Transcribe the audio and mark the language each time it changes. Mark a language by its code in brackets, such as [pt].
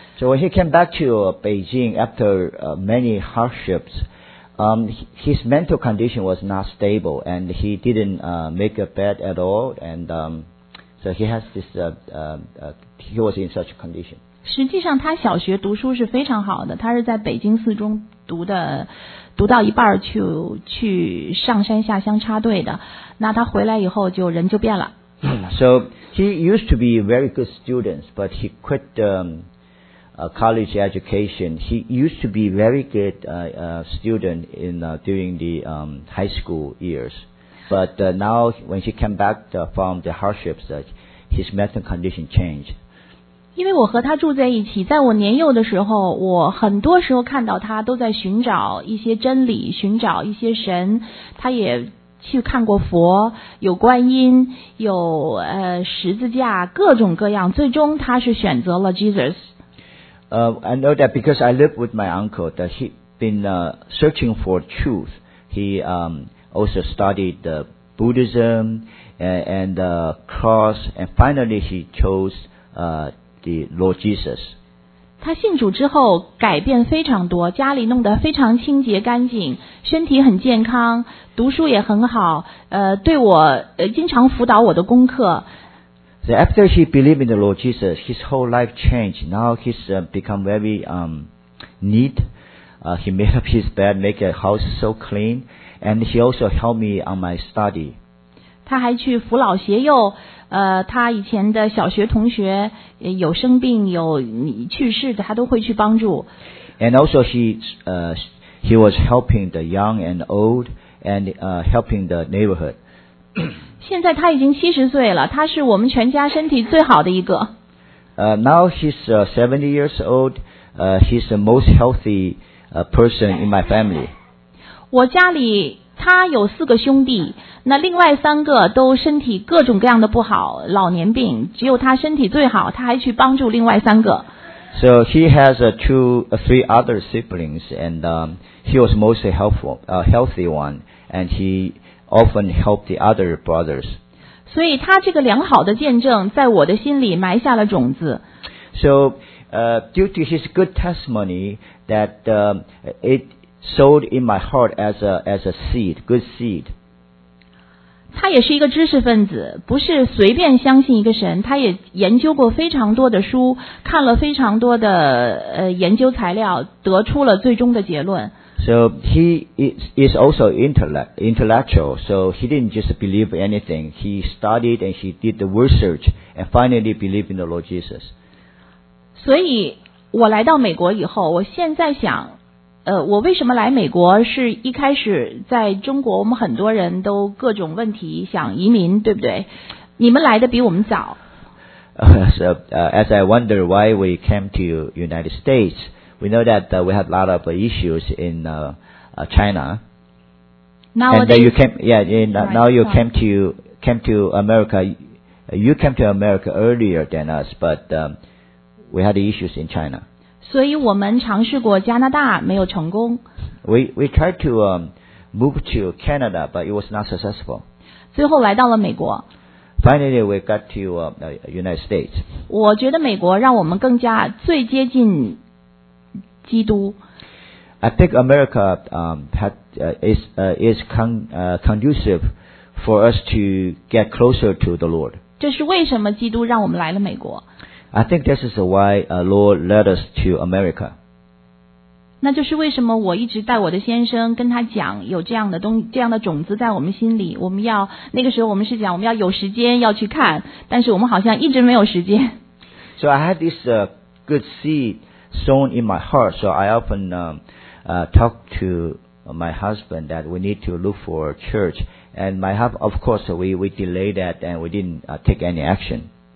[en] So when he came back to Beijing after many hardships, his mental condition was not stable, and he didn't make a bed at all, and so he has this he was in such a condition. [zh] 实际上，他小学读书是非常好的，他是在北京四中读的，读到一半去上山下乡插队的。那他回来以后就人就变了。 [en] So he used to be very good students, but he quit college education. He used to be very good student in during the high school years, but now when he came back from the hardships, his mental condition changed. [zh] 因为我和他住在一起，在我年幼的时候，我很多时候看到他都在寻找一些真理，寻找一些神，他也去看过佛，有观音，有十字架，各种各样，最终他是选择了 Jesus。 [en] I know that because I live with my uncle that he been searching for truth. He also studied the Buddhism and the cross, and finally he chose the Lord Jesus. [zh] 他信主之后改变非常多，家里弄得非常清洁干净，身体很健康，读书也很好，对我经常辅导我的功课。 [en] So after he believed in the Lord Jesus, his whole life changed. Now he's become very neat. He made up his bed, make a house so clean, and he also helped me on my study. [zh] 他还去扶老携幼，他以前的小学同学有生病，有去世的，他都会去帮助。 [en] And also he was helping the young and old, and helping the neighborhood. [zh] 现在他已经70岁了，他是我们全家身体最好的一个。 [en] Now he's 70 years old. He's the most healthy person in my family. [zh] 我家里他有四个兄弟，那另外三个都身体各种各样的不好，老年病，只有他身体最好，他还去帮助另外三个。 [en] So he has three other siblings, and he was mostly helpful, healthy one, and he often helped the other brothers. [zh] 所以他这个良好的见证在我的心里埋下了种子。 [en] So due to his good testimony that it sowed in my heart as a seed, good seed. [zh] 他也是一个知识分子，不是随便相信一个神，他也研究过非常多的书，看了非常多的研究材料，得出了最终的结论。 [en] So he is also intellectual, so he didn't just believe anything. He studied and he did the research and finally believed in the Lord Jesus. [zh] 所以我来到美国以后，我现在想我为什么来美国，是一开始在中国我们很多人都各种问题想移民，对不对？你们来的比我们早。 [en] As I wonder why we came to United States, we know that we had a lot of issues in China. Now you came to America. You came to America earlier than us, but we had issues in China. [zh] 所以我们尝试过加拿大，没有成功。 [en] We tried to move to Canada, but it was not successful. [zh] 最后来到了美国。 [en] Finally, we got to United States. [zh] 我觉得美国让我们更加最接近基督。 [en] I think America is conducive for us to get closer to the Lord. [zh] 这是为什么基督让我们来了美国。 [en] I think this is why Lord led us to America. [zh] 那就是为什么我一直带我的先生跟他讲有这样的东这样的种子在我们心里，我们要那个时候我们是讲我们要有时间要去看，但是我们好像一直没有时间。 [en] So I had this good seed sown in my heart. So I often talk to my husband that we need to look for a church. And my husband, of course, we delayed that and we didn't take any action.